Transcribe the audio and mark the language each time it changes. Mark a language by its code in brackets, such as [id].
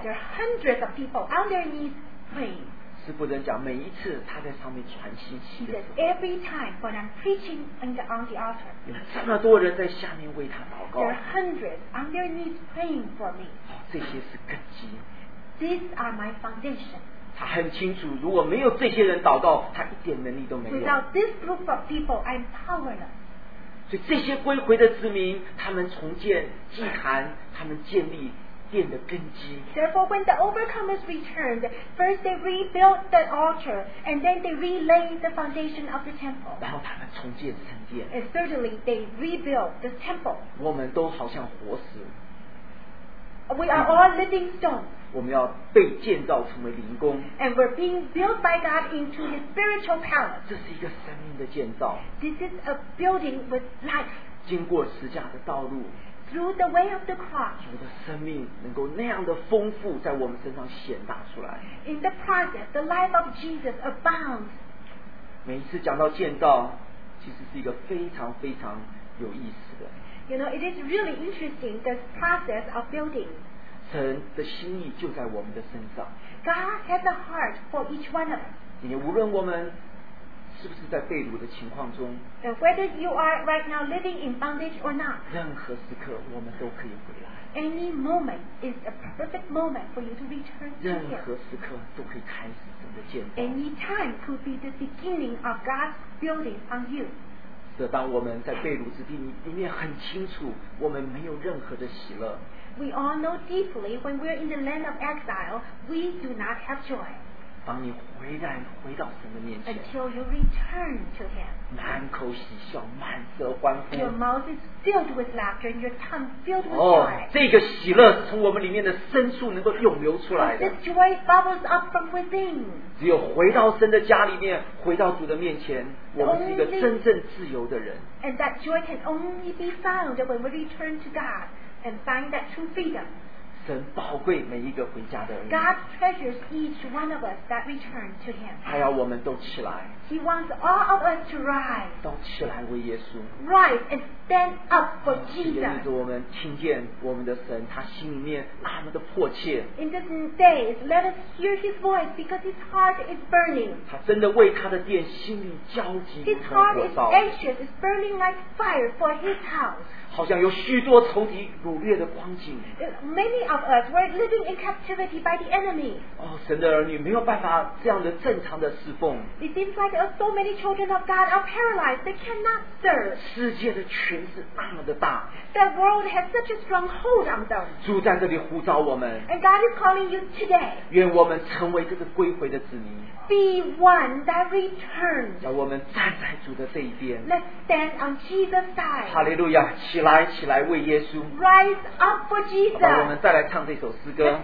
[en] There are hundreds of people on their knees praying. [zh] 施布真讲，每一次他在上面传信息。 [en] He says every time when I'm preaching on the altar. [zh] 有这么多人在下面为他祷告。 [en] There are hundreds on their knees praying for me. [zh] 哦，这些是根基。 [en] These are my foundation. [zh] 他很清楚，如果没有这些人祷告，他一点能力都没有。 [en] Without this group of people, I'm powerless. [zh] 所以这些归回的子民，他们重建祭坛，他们建立殿的根基。 [en] Therefore, when the overcomers returned, first they rebuilt the altar, and then they relayed the foundation of the temple. [zh] 然后他们重建圣殿。 [en] And thirdly, they rebuilt the temple. [zh] 我们都好像活石。 [en] We are all living stones. [zh] 我们要被建造成为灵宫。 [en] And we're being built by God into His spiritual palace. [zh] 这是一个生命的建造。 [en] This is a building with life. [zh] 经过十字架的道路。 [en] Through the way of the cross. [zh] 主的生命能够那样的丰富在我们身上显达出来。 [en] In the process, the life of Jesus abounds. [zh] 每一次讲到建造，其实是一个非常非常有意思的。 [en] You know, it is really interesting, this process of building. [zh] 神的心意就在我们的身上。 [en] God has a heart for each one of us. [zh] 无论我们是不是在被掳的情况中， [en] whether you are right now living in bondage or not, [zh] 任何时刻我们都可以回来。 [en] Any moment is a perfect moment for you to return to Him. [zh] 任何时刻都可以开始神的建造。 [en] Any time could be the beginning of God's building on you. [zh] 当我们在被掳之地里面很清楚我们没有任何的喜乐。 [en] We all know deeply when we're in the land of exile, we do not have joy. [zh] 当你回到神的面前， [en] Until you return to Him, [zh] 满口喜笑，满舌欢呼。 [en] Your mouth is filled with laughter and your tongue filled with joy. [zh] 这个喜乐是从我们里面的深处能够涌流出来的。 [en] This joy bubbles up from within. [zh] 只有回到神的家里面，回到主的面前，我们是一个真正自由的人。 [en] And that joy can only be found when we return to God and find that true freedom. [zh] 神宝贵每一个回家的人。 [en] God treasures each one of us that return to Him. [zh] 他要我们都起来。 [en] He wants all of us to rise. [zh] 都起来为耶稣。 [en] Rise and stand up for Jesus. [zh] 也使我们听见我们的神，他心里面那么的迫切。 [en] In these days, let us hear His voice because His heart is burning. [zh] 他真的为他的殿心里焦急。 [en] His heart is anxious, is burning like fire for His house. [zh] 好像有许多仇敌掳掠的光景。 [en] Many of us were living in captivity by the enemy. [zh] 哦，神的儿女没有办法这样的正常的侍奉。 [en] It seems like so many children of God are paralyzed. They cannot serve. [zh] 世界的权势那么的大。 [en] The world has such a strong hold on them. [zh] 主在这里呼召我们。 [en] And God is calling you today. [zh] 愿我们成为这个归回的子民。 [en] Be one that returns. [zh] 让我们站在主的这一边。 [en] Let's stand on Jesus' side. [zh] 哈利路亚，起来为耶稣。 [en] Rise up for Jesus. [zh] 好吧，我们再来唱这首诗歌。